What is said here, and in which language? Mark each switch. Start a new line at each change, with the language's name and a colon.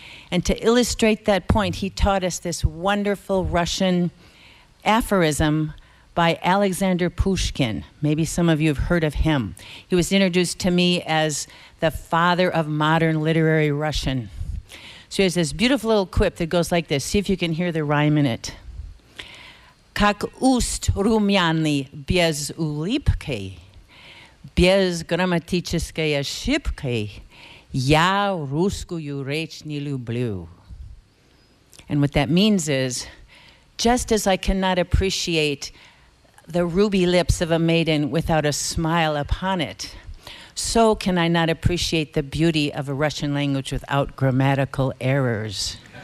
English: And to illustrate that point, he taught us this wonderful Russian aphorism by Alexander Pushkin. Maybe some of you have heard of him. He was introduced to me as the father of modern literary Russian. So he has this beautiful little quip that goes like this. See if you can hear the rhyme in it.
Russian: Как уст румяный без улыбки, без грамматической ошибки, я русскую речь не люблю.
English: And what that means is, just as I cannot appreciate the ruby lips of a maiden without a smile upon it, so can I not appreciate the beauty of a Russian language without grammatical errors.